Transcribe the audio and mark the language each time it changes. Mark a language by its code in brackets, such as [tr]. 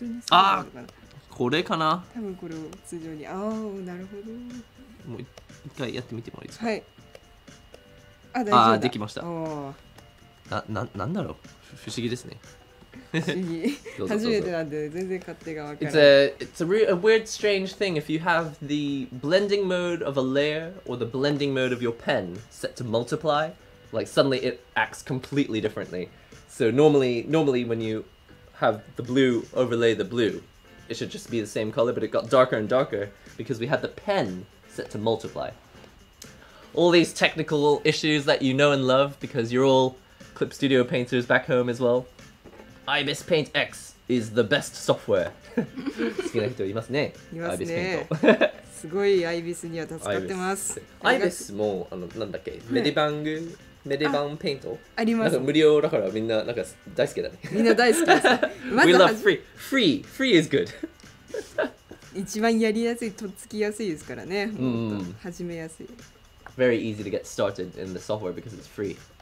[ja] あ、これかな?多分これを通常に。ああ、なるほど。もう一回やってみてもいいですか?はい。あ、大丈夫だ。できました。なんだろう?不思議ですね。不思議。初めてなんで全然勝手がわからない。 [en] It's a weird strange thing if you have the blending mode of a layer or the blending mode of your pen set to multiply, like suddenly it acts completely differently. So normally when you have the blue overlay the blue, it should just be the same color, but it got darker and darker because we had the pen set to multiply. All these technical issues that you know and love because you're all Clip Studio painters back home as well. Ibis Paint X is the best software. [ja] 好きな人いますね。いますね。すごいIbisには助かってます。 Ibis も、なんだっけ、メディバング?メディバンペイントあ, あります。なんか無料だからみんな、なんか大好きだね。みんな大好きです [en] 。 We love free. Free. Free is good. [ja] 一番やりやすい、とっつきやすいですからね。うん。始めやすい。 [en] Very easy to get started in the software because it's free.